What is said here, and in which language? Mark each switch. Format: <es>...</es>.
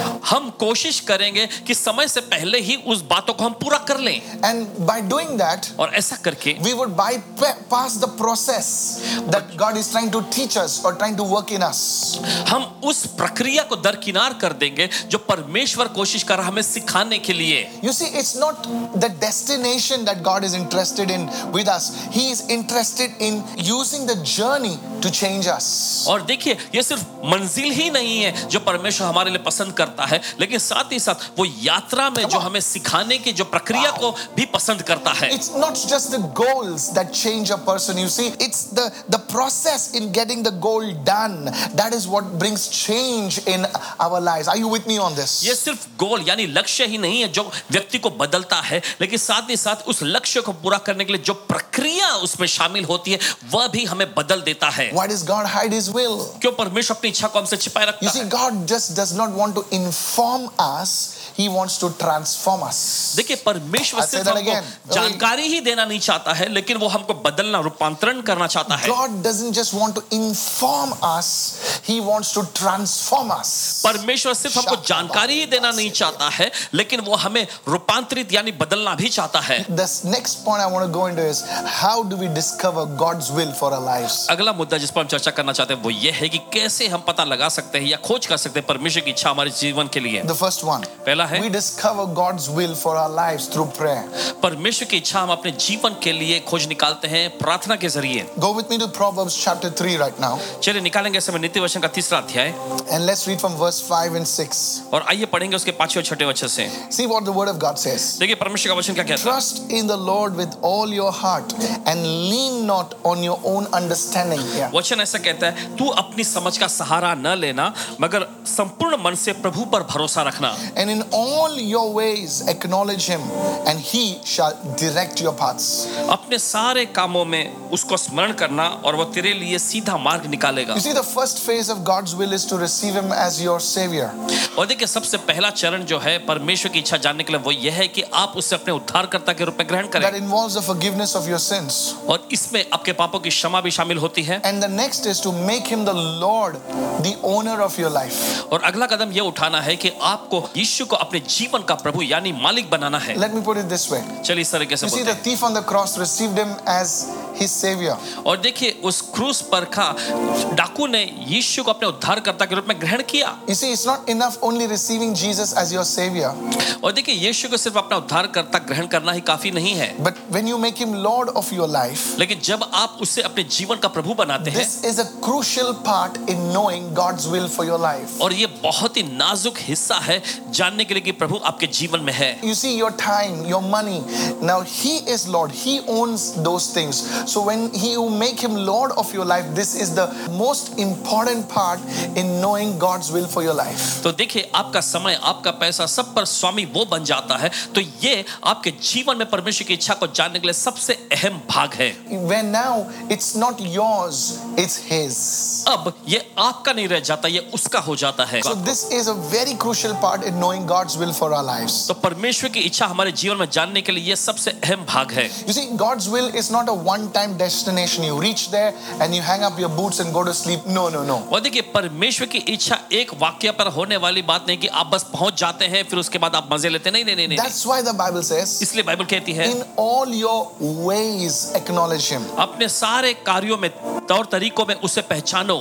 <hi>हम कोशिश करेंगे कि समय से पहले ही उस बातों को हम पूरा कर लें.</hi> <en>And by doing that,</en> <hi>और ऐसा करके,</hi> <en>we would buy bypass the process that God is trying to teach us or trying to work in us.</en> <hi>हम उस प्रक्रिया को दरकिनार कर देंगे जो परमेश्वर कोशिश कर रहा है हमें सिखाने के लिए.</hi> <en>You see, it's not the destination that God is interested in with us. He is interested in using the journey to change us.</en> <hi>और देखिए, ये सिर्फ मंजिल ही नहीं है जो परमेश्वर हमारे लिए पसंद करता है, लेकिन साथ ही साथ वो यात्रा में जो हमें सिखाने की जो प्रक्रिया को भी पसंद करता है.</hi> <en>It's not just the goals that change a person. You see, it's the process in getting the goal done. That is what brings change in our lives. Are you with me on this?</en> <hi>ये सिर्फ goal यानी लक्ष्य ही नहीं है जो व्यक्ति को बदलता है, लेकिन साथ ही साथ उस लक्ष्य को पूरा करने के लिए जो प्रक्रिया उसमें शामिल होती है वह भी हमें बदल देता है.</hi> <en>Why does God hide His will?</en> <hi>क्यों परमेश्वर अपनी इच्छा को हमसे छिपाए रखता है?</hi> <en>You see, God just does not want to inform us. He wants to transform us.</en> <hi>देखिए परमेश्वर सिर्फ हमको जानकारी ही देना नहीं चाहता है, लेकिन वो हमको बदलना रूपांतरण करना चाहता है.</hi> <en>God doesn't just want to inform us. He wants to transform us.</en> <hi>परमेश्वर सिर्फ हमको जानकारी ही देना नहीं चाहता है, लेकिन वो हमें रूपांतरित यानी बदलना भी चाहता है.</hi> <en>The next point I want to go into is how do we discover God's will for our lives?</en> <hi>अगला मुद्दा जिस पर हम चर्चा करना चाहते हैं वो ये है कि कैसे हम पता लगा सकते हैं या खोज कर सकते हैं परमेश्वर की इच्छा हमारे जीवन के लिए.</hi> <en>The first one.</en> <hi>पहला है,</hi> <en>we discover God's will for our lives through prayer.</en> <hi>परमेश्वर की इच्छा हम अपने जीवन के लिए खोज निकालते हैं प्रार्थना के जरिए.</hi> <en>Go with me to Proverbs chapter 3 right now.</en> <hi>चलिए निकालेंगे समय नीति वचन का तीसरा अध्याय.</hi> <en>And let's read from verse 5 and 6.</en> <hi>और आइए पढ़ेंगे उसके पांचवें और छठे वचन से.</hi> <en>See what the word of God says.</en> <hi>देखिए परमेश्वर का वचन क्या कहता है.</hi> <en>Trust in the Lord with all your heart and lean not on your own understanding.</en> <hi>वचन ऐसा कहता है, तू अपनी समझ का सहारा न लेना मगर संपूर्ण मन से प्रभु पर भरोसा रखना.</hi> <en>And in all your ways acknowledge him and he shall direct your paths.</en> <hi>अपने सारे कामों में उसको स्मरण करना और वो तेरे लिए सीधा मार्ग निकालेगा.</hi> <en>You see, the first phase of God's will is to receive him as your savior.</en> <hi>और देखिए सबसे पहला चरण जो है परमेश्वर की इच्छा जानने के लिए वो यह है कि आप उसे अपने उद्धारकर्ता के रूप में ग्रहण करें.</hi> <en>That involves the forgiveness of your sins.</en> <hi>और इसमें आपके पापों की क्षमा भी शामिल होती है.</hi> <en>And the next is to make him the Lord, the owner of your life.</en> <hi>और अगला कदम यह उठाना है कि आपको यीशु को अपने जीवन का प्रभु यानी मालिक बनाना है.</hi> <en>Let me put it this way.</en> <hi>चलिए इस तरीके से बोलते हैं.</hi> <en>You see, the thief on the cross received him as his savior.</en> <hi>और देखिए उस क्रूस पर का डाकू ने यीशु को अपने उद्धारकर्ता के रूप में ग्रहण किया.</hi> <en>You see, it's not enough only receiving Jesus as your savior.</en> <hi>और देखिए यीशु को सिर्फ अपना उद्धारकर्ता ग्रहण करना ही काफी नहीं है.</hi> <en>But when you make him Lord of your life,</en> <hi>लेकिन जब आप उसे अपने जीवन का प्रभु बनाते हैं,</hi> <en>this is a crucial part in knowing God's will for your life.</en> <hi>और ये बहुत ही नाजुक हिस्सा है जानने के लिए कि प्रभु आपके जीवन में है.</hi> <en>You see, your time, your money, now he is Lord, he owns those things. So when you make him Lord of your life, this is the most important part in knowing God's will for your life.</en> <hi>तो देखिए आपका समय, आपका पैसा, सब पर स्वामी वो बन जाता है, तो ये आपके जीवन में परमेश्वर की इच्छा को जानने के लिए सबसे अहम भाग है.</hi> <en>When now it's not yours, it's his.</en> <hi>अब ये आपका नहीं रह जाता, ये उसका हो जाता है.</hi> <en>So this is a very crucial part in knowing God's will for our lives.</en> <hi>तो परमेश्वर की इच्छा हमारे जीवन में जानने के लिए ये सबसे अहम भाग है.</hi> <en>You see, God's will is not a one-time destination. You reach there and you hang up your boots and go to sleep. No.</en> <hi>और देखिए परमेश्वर की इच्छा एक वाक्य पर होने वाली बात नहीं कि आप बस पहुंच जाते हैं फिर उसके बाद आप मजे लेते. नहीं.</hi> <en>That's why the Bible says.</en> <hi>इसलिए बाइबल कहती है.</hi> <en>In all your ways acknowledge him.</en> <hi>अपने सारे कार्यों में तौर तरीकों में उसे पहचानो.</hi>